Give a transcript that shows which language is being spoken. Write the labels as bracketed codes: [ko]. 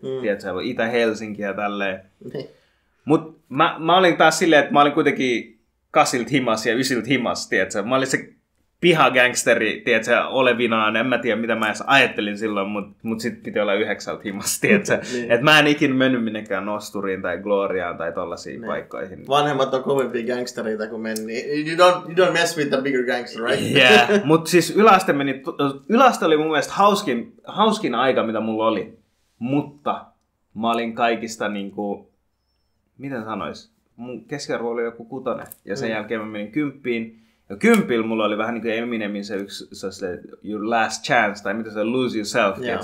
[fi] Tiedätkö, Itä-Helsinki ja tälleen. Mut mä olin taas silleen, että mä olin kuitenkin 8 himas ja 9 himas, tiedätkö? Mä olin se pihagangsteri, tiedätkö, olevinaan. En mä tiedä, mitä mä edes ajattelin silloin, mut sit piti olla 9 himas, tiedätkö? Että mä en ikinä mennyt minnekään nosturiin tai gloriaan tai tollaisiin paikkoihin. Vanhemmat on kovempia gangstereita kuin meni. [en] You don't mess with the bigger gangster, right? Yeah. [fi] Mut siis yläaste oli mun mielestä hauskin aika, mitä mulla oli. Mutta mä olin kaikista niinku... Miten sanois? Mun keskiarvo oli joku 6. Ja sen jälkeen mä menin 10. Ja 10 mulla oli vähän niin kuin Eminemin se yksi, se oli se [en] your last chance, [fi] tai mitä se [en] lose yourself. [fi] Yeah.